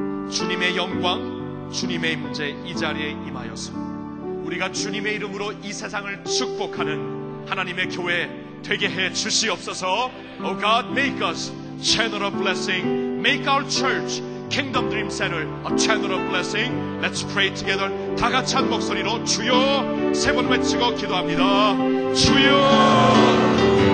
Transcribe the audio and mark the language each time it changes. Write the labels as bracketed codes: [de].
[ko] 주님의 영광, 주님의 임재 이 자리에 임하여서 우리가 주님의 이름으로 이 세상을 축복하는 하나님의 교회 되게 해 주시옵소서. [en] Oh God, make us channel of blessing. Make our church, Kingdom Dream Center, a channel of blessing. Let's pray together. [ko] 다 같이 한 목소리로 주여 세 번 외치고 기도합니다. 주여.